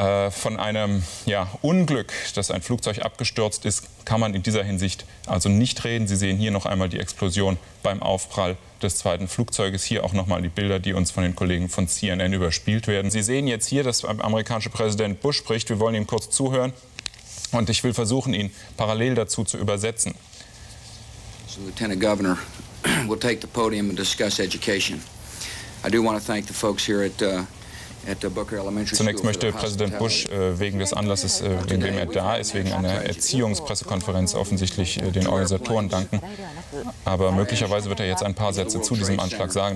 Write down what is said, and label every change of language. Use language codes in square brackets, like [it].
[de] Von einem Unglück, dass ein Flugzeug abgestürzt ist, kann man in dieser Hinsicht also nicht reden. Sie sehen hier noch einmal die Explosion beim Aufprall des zweiten Flugzeuges. Hier auch noch mal die Bilder, die uns von den Kollegen von CNN überspielt werden. Sie sehen jetzt hier, dass der amerikanische Präsident Bush spricht. Wir wollen ihm kurz zuhören und ich will versuchen, ihn parallel dazu zu übersetzen. [en] So, Lieutenant Governor, we'll take the podium and discuss education. I do want to thank the folks here at [de] Zunächst möchte Präsident Bush wegen des Anlasses, in dem er da ist, wegen einer Erziehungspressekonferenz offensichtlich den Organisatoren danken. Aber möglicherweise wird er jetzt ein paar Sätze zu diesem Anschlag sagen.